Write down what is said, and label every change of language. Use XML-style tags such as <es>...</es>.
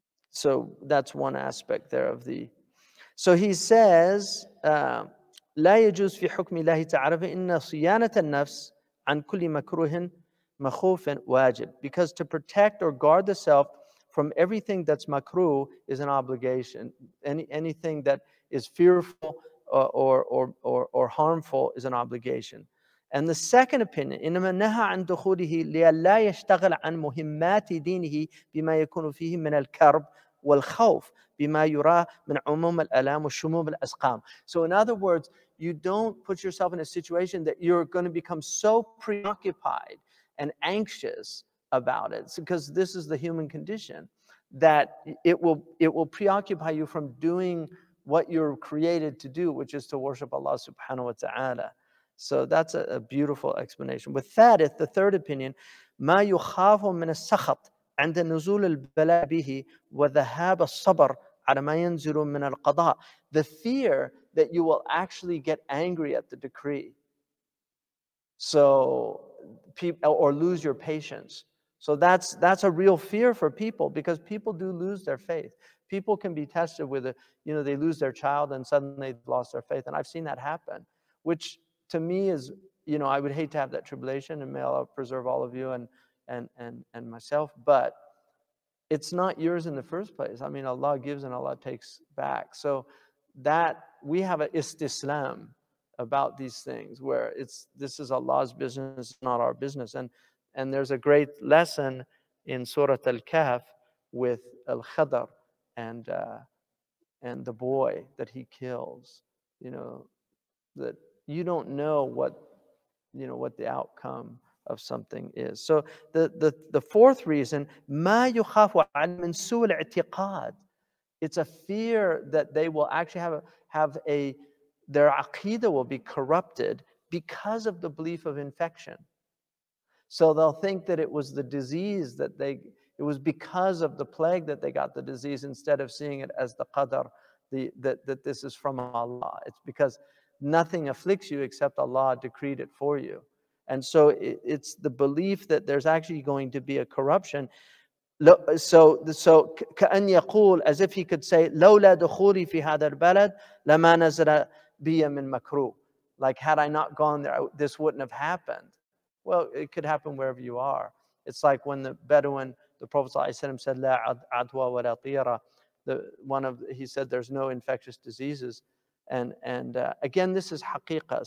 <en>so that's one aspect there of the, so he says,</en> <ar>لَا يَجُوزْ فِي حُكْمِ اللَّهِ تَعَرَفِ إِنَّ صِيَانَةَ النَّفْسِ عَنْ كُلِّ مَكْرُوهٍ مَخُوفٍ وَاجِبٍ,</ar> <en>because to protect or guard the self from everything that's makruh is an obligation. Anything that is fearful or harmful is an obligation. And the second opinion,</en> <ar>إِنَّمَا نَهَى عَنْ دُخُولِهِ لِيَلَّا يَشْتَغَلَ عَنْ مُهِمَّاتِ دِينِهِ بِمَا يَكُونُ فِيهِ مِنَ الْكَرْبِ وَالْخَوْفِ, بما يرى من عموم الألام وشموم الأسقام.</ar> <en>So in other words, you don't put yourself in a situation that you're going to become so preoccupied and anxious about it, because this is the human condition, that it will preoccupy you from doing what you're created to do, which is to worship Allah subhanahu wa ta'ala. So that's a beautiful explanation. With that, it's the third opinion,</en> <ar>ما يخاف من السخط عند نزول البلاء به وذهاب الصبر على ما ينزل من القضاء.</ar> <en>The fear that you will actually get angry at the decree, or lose your patience. So that's a real fear for people, because people do lose their faith. People can be tested with they lose their child and suddenly they've lost their faith. And I've seen that happen, which to me is, I would hate to have that tribulation, and may Allah preserve all of you and myself, but it's not yours in the first place. I mean, Allah gives and Allah takes back. So that we have an istislam about these things, where this is Allah's business, not our business. And there's a great lesson in Surah Al-Kahf with Al-Khadr and the boy that he kills. That you don't know what the outcome of something is. So the fourth reason,</en> <ar>ما يخاف عن من سوء الاعتقاد.</ar> <en>It's a fear that they will actually have their aqidah will be corrupted because of the belief of infection. So they'll think that it was the disease it was because of the plague that they got the disease, instead of seeing it as the qadr, that this is from Allah. It's because nothing afflicts you except Allah decreed it for you. And so it's the belief that there's actually going to be a corruption. So</en> <ar>كأن يقول,</ar> <en>as if he could say,</en> <ar>لولا دخولي في هذا البلد لما نزل بي من مكروه.</ar> <en>Like, had I not gone there, this wouldn't have happened. Well, it could happen wherever you are. It's like when the Bedouin, the Prophet ﷺ said,</en> <ar>لا عدوى ولا طيرة.</ar> <en>He said, there's no infectious diseases. And again, this is haqiqa.</en>